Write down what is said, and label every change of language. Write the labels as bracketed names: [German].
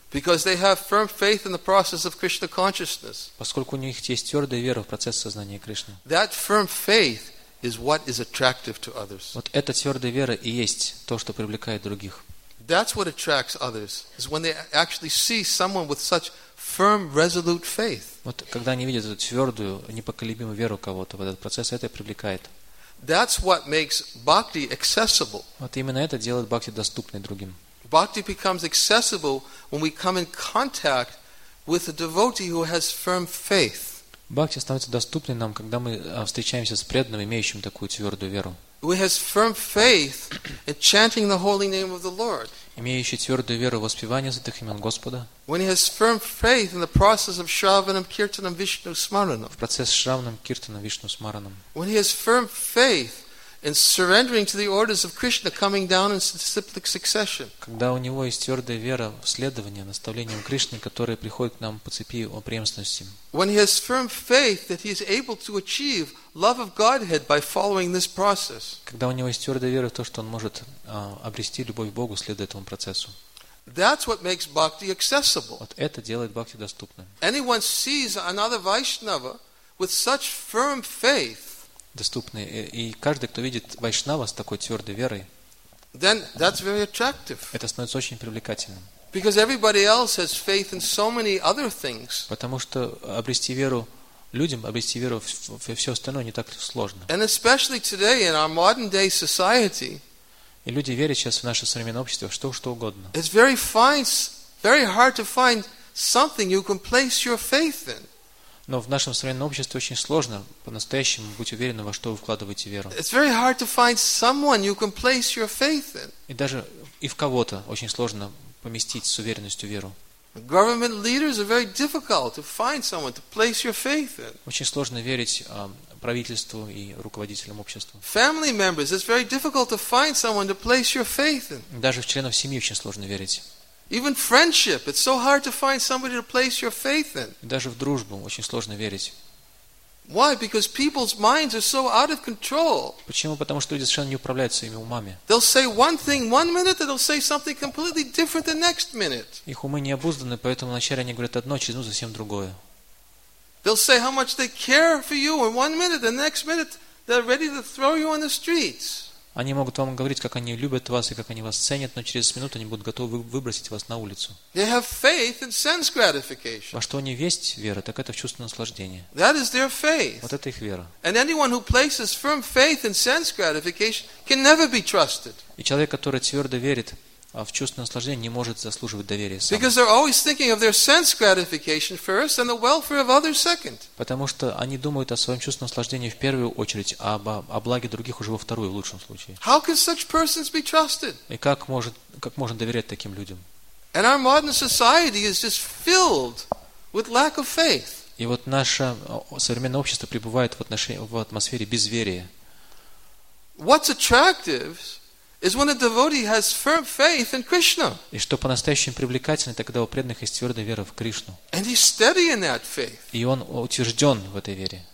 [English] Because they have firm faith in the process of Krishna consciousness. [Russian] Поскольку у них есть твердая вера в процесс сознания Кришны. [English] That firm faith is what is attractive to others. [Russian] Вот эта твердая вера и есть то, что привлекает других. [English] That's what attracts others, is when they actually see someone with such firm, resolute faith. [Russian] Вот когда они видят эту твердую, непоколебимую веру кого-то, вот этот процесс это привлекает. [English] That's what makes bhakti accessible. [Russian] Вот именно это делает бхакти доступной другим. [English] Bhakti becomes accessible when we come in contact with a devotee who has firm faith. [Russian] Бхакти становится доступной нам, когда мы встречаемся с преданным, имеющим такую твердую веру. [English] Who has firm faith in chanting the holy name of the Lord. [Russian] Имеющий твердую веру в воспевании святых имен Господа. [English] When he has firm faith in the process of Shravanam, Kirtanam, Vishnu, Smaranam. [Russian] В процесс Шравнам, Киртанам, Вишну, Смаранам. [English] When he has firm faith in surrendering to the orders of Krishna, coming down in cyclic succession. [Russian] Когда у него есть твердая вера в следование наставлениям Кришны, которые приходят к нам по цепи о преемственности. [English] When he has firm faith that he is able to achieve love of Godhead by following this process. [Russian] Когда у него есть твердая вера в то, что он может обрести любовь к Богу, следуя этому процессу. [English] That's what makes bhakti accessible. [Russian] Вот это делает бхакти доступным. [English] Anyone sees another Vaishnava with such firm faith. [Russian] Доступные. И каждый, кто видит вайшнава с такой твердой верой, [English] then that's very attractive. [Russian] Это становится очень привлекательным. [English] Because everybody else has faith in so many other things. [Russian] Потому что обрести веру людям, обрести веру в все остальное не так сложно. [English] And especially today in our modern day society, [Russian] и люди верят сейчас в наше современное общество, что что угодно. [English] It's very fine, very hard to find something you can place your faith in. [Russian] Но в нашем современном обществе очень сложно по-настоящему быть уверенным, во что вы вкладываете веру. [English] It's very hard to find someone you can place your faith in. [Russian] И даже и в кого-то очень сложно поместить с уверенностью веру. [English] Government leaders are very difficult to find someone to place your faith in. [Russian] Очень сложно верить правительству и руководителям общества. [English] Family members, it's very difficult to find someone to place your faith in. [Russian] Даже в членов семьи очень сложно верить. [English] Even friendship, it's so hard to find somebody to place your faith in. [Russian] Даже в дружбу очень сложно верить. [English] Why? Because people's minds are so out of control. [Russian] Почему? Потому что люди совершенно не управляют своими умами. [English] They'll say one thing one minute, and they'll say something completely different the next minute. [Russian] Их умы не обузданы, поэтому вначале они говорят одно, через минуту совсем другое. [English] They'll say how much they care for you, and one minute, the next minute, they're ready to throw you on the streets. [Russian] Они могут вам говорить, как они любят вас и как они вас ценят, но через минуту они будут готовы выбросить вас на улицу. [English] They have faith in sense gratification. [Russian] Во что у них есть вера, так это в чувство наслаждения. [English] That is their faith. [Russian] Вот это их вера. [English] And anyone who places firm faith in sense gratification can never be trusted. [Russian] И человек, который твердо верит в чувство наслаждения, не может заслуживать доверия сам. [English] Because they're always thinking of their sense gratification first and the welfare of others second. [Russian] Потому что они думают о своем чувстве наслаждения в первую очередь, а о благе других уже во вторую, в лучшем случае. [English] How can such persons be trusted? [Russian] И как можно доверять таким людям? [English] And our modern society is just filled with lack of faith. [Russian] И вот наше современное общество пребывает в атмосфере безверия. [English] What's attractive is when a devotee has firm faith in Krishna. [Russian] И что по-настоящему привлекательно, это когда у преданных есть твердая вера в Кришну. [English] And he's steady in that faith. [Russian] И он утвержден в этой вере.